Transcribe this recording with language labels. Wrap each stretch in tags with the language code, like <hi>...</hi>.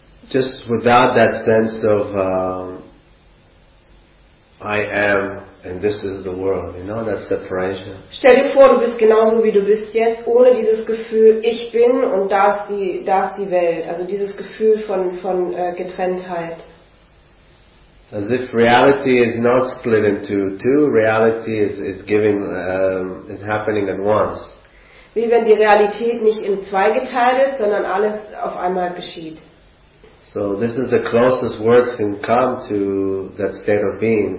<en>Just without that sense of I am and this is the world, you know, that separation.</en> <de>Stell dir vor, du bist genauso wie du bist jetzt, ohne dieses Gefühl, ich bin und da ist die Welt. Also dieses Gefühl von Getrenntheit.</de> <en>As if reality is not split into two, reality is happening at once.</en> <de>Wie wenn die Realität nicht in zwei geteilt ist, sondern alles auf einmal geschieht.</de> <en>So this is the closest words can come to that state of being.</en>